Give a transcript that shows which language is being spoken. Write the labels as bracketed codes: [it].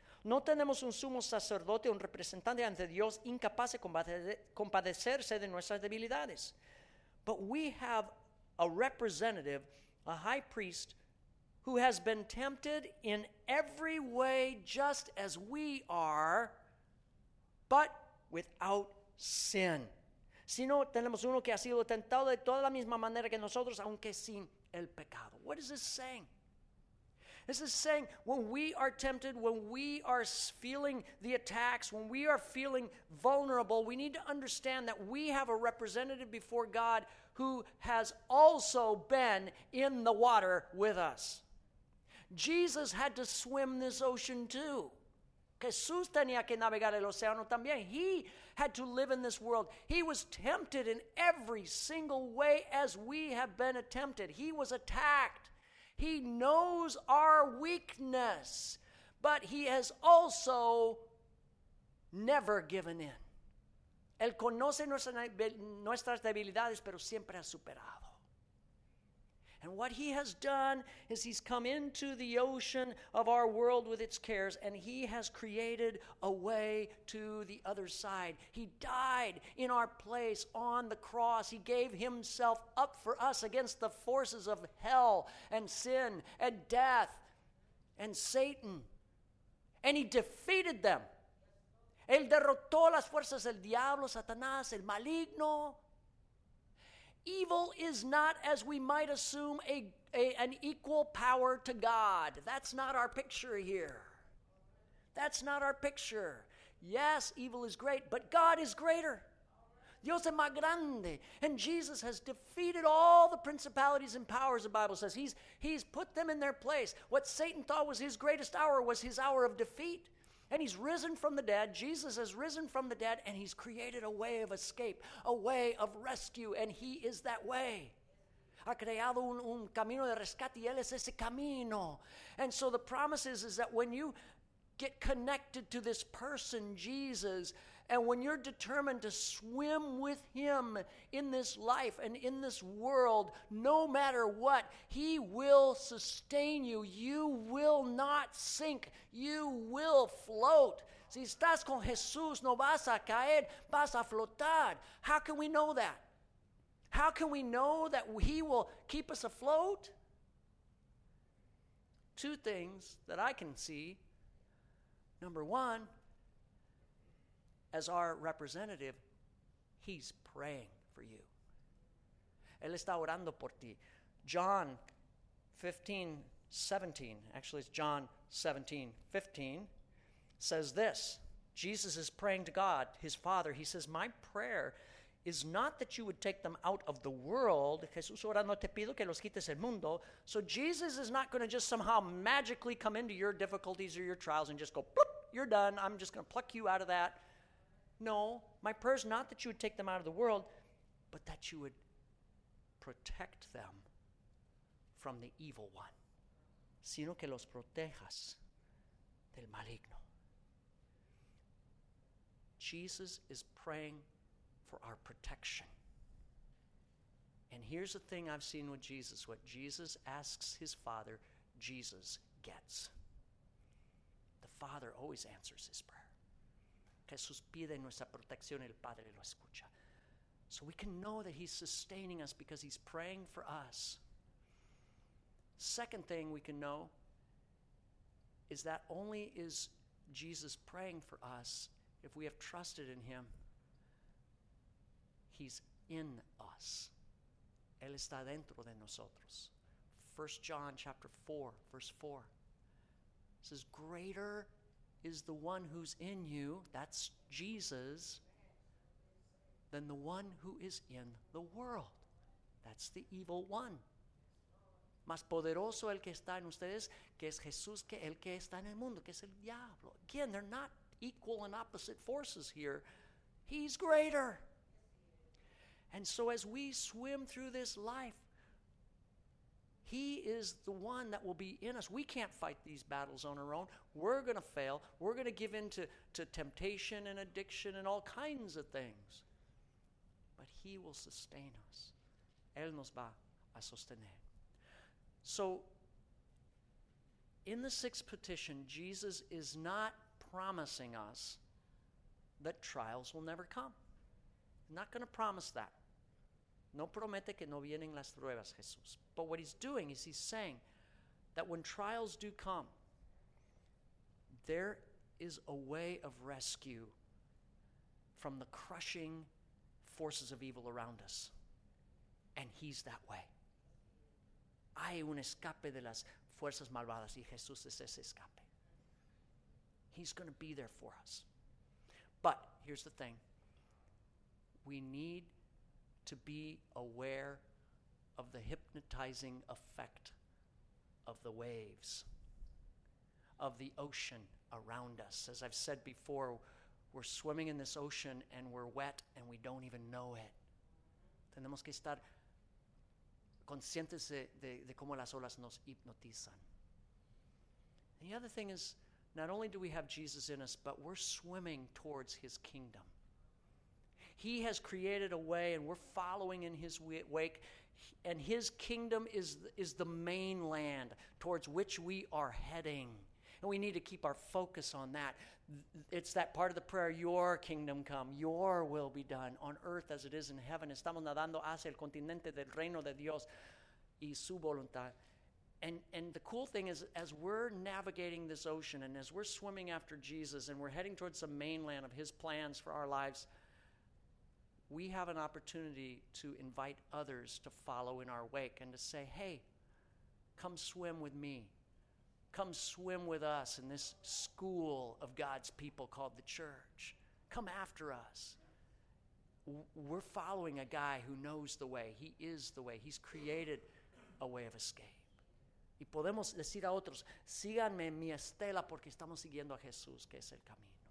[es] No tenemos un sumo sacerdote, un representante ante Dios, incapaz de compadecerse de nuestras debilidades. [en] But we have a representative, a high priest, who has been tempted in every way just as we are, but without sin. [es] Sino tenemos uno que ha sido tentado de toda la misma manera que nosotros, aunque sin el pecado. [en] What is this saying? This is saying when we are tempted, when we are feeling the attacks, when we are feeling vulnerable, we need to understand that we have a representative before God who has also been in the water with us. Jesus had to swim this ocean too. [es] Jesús tenía que navegar el océano también. [en] He had to live in this world. He was tempted in every single way as we have been tempted. He was attacked. He knows our weakness, but he has also never given in. [es] Él conoce nuestras debilidades, pero siempre ha superado. [en] And what he has done is he's come into the ocean of our world with its cares, and he has created a way to the other side. He died in our place on the cross. He gave himself up for us against the forces of hell and sin and death and Satan. And he defeated them. [es] Él derrotó las fuerzas del diablo, Satanás, el maligno. [en] Evil is not, as we might assume, an equal power to God. That's not our picture here. That's not our picture. Yes, evil is great, but God is greater. [es] Dios es más grande. [en] And Jesus has defeated all the principalities and powers, the Bible says. He's put them in their place. What Satan thought was his greatest hour was his hour of defeat. And he's risen from the dead. Jesus has risen from the dead, and he's created a way of escape, a way of rescue, and he is that way. [es] Ha creado un camino de rescate, y él es ese camino. [en] And so the promise is that when you get connected to this person, Jesus, and when you're determined to swim with him in this life and in this world, no matter what, he will sustain you. You will not sink. You will float. [es] Si estás con Jesús, no vas a caer, vas a flotar. [en] How can we know that? How can we know that he will keep us afloat? Two things that I can see. Number one, as our representative, he's praying for you. [es] Él está orando por ti. [en] John 15, 17, actually it's John 17, 15, says this. Jesus is praying to God, his Father. He says, my prayer is not that you would take them out of the world. [es] Jesús orando, te pido que los quites el mundo. [en] So Jesus is not going to just somehow magically come into your difficulties or your trials and just go, bloop, you're done. I'm just going to pluck you out of that. No, my prayer is not that you would take them out of the world, but that you would protect them from the evil one. [es] Sino que los protejas del maligno. [en] Jesus is praying for our protection. And here's the thing I've seen with Jesus. What Jesus asks his Father, Jesus gets. The Father always answers his prayer. [es] Jesús pide nuestra protección, el Padre lo escucha. [en] So we can know that he's sustaining us because he's praying for us. Second thing we can know is that only is Jesus praying for us if we have trusted in him. He's in us. [es] Él está dentro de nosotros. [en] 1 John chapter 4, verse 4. It says, greater is the one who's in you, that's Jesus, than the one who is in the world. That's the evil one. [es] Más poderoso el que está en ustedes, que es Jesús, que el que está en el mundo, que es el diablo. [en] Again, they're not equal and opposite forces here. He's greater. And so as we swim through this life, he is the one that will be in us. We can't fight these battles on our own. We're going to fail. We're going to give in to temptation and addiction and all kinds of things. But he will sustain us. [es] Él nos va a sostener. [en] So, in the sixth petition, Jesus is not promising us that trials will never come. Not going to promise that. [es] No promete que no vienen las pruebas, Jesús. [en] But what he's doing is he's saying that when trials do come, there is a way of rescue from the crushing forces of evil around us. And he's that way. [es] Hay un escape de las fuerzas malvadas y Jesús es ese escape. [en] He's going to be there for us. But here's the thing. We need to be aware of the hypnotizing effect of the waves, of the ocean around us. As I've said before, we're swimming in this ocean and we're wet and we don't even know it. [es] Tenemos que estar conscientes de cómo las olas nos hipnotizan. [en] The other thing is, not only do we have Jesus in us, but we're swimming towards his kingdom. He has created a way, and we're following in his wake. And his kingdom is the mainland towards which we are heading. And we need to keep our focus on that. It's that part of the prayer, your kingdom come, your will be done on earth as it is in heaven. [es] Estamos nadando hacia el continente del reino de Dios y su voluntad. [en] And the cool thing is, as we're navigating this ocean and as we're swimming after Jesus and we're heading towards the mainland of his plans for our lives, we have an opportunity to invite others to follow in our wake and to say, hey, come swim with me. Come swim with us in this school of God's people called the church. Come after us. We're following a guy who knows the way. He is the way. He's created a way of escape. [es] Y podemos decir a otros, síganme en mi estela porque estamos siguiendo a Jesús, que es el camino.